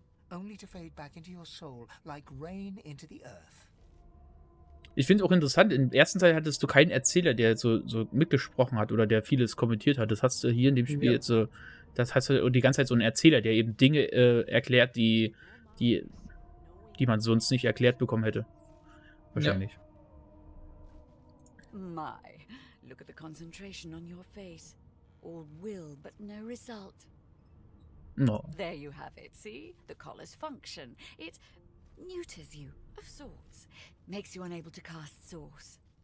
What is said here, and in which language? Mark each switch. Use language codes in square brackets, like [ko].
[en] Only to fade back into your soul, like rain into the earth. [de] Ich finde es auch interessant, im ersten Teil hattest du keinen Erzähler, der so mitgesprochen hat oder der vieles kommentiert hat. Das hast du hier in dem Spiel jetzt so, das heißt die ganze Zeit so einen Erzähler, der eben Dinge erklärt, die man sonst nicht erklärt bekommen hätte. Wahrscheinlich. Ja. [en] My, look at the concentration on your face. All will, but no result. No. There you have it, see? The collar's function. It neuters you, of sorts. Makes you unable to cast source.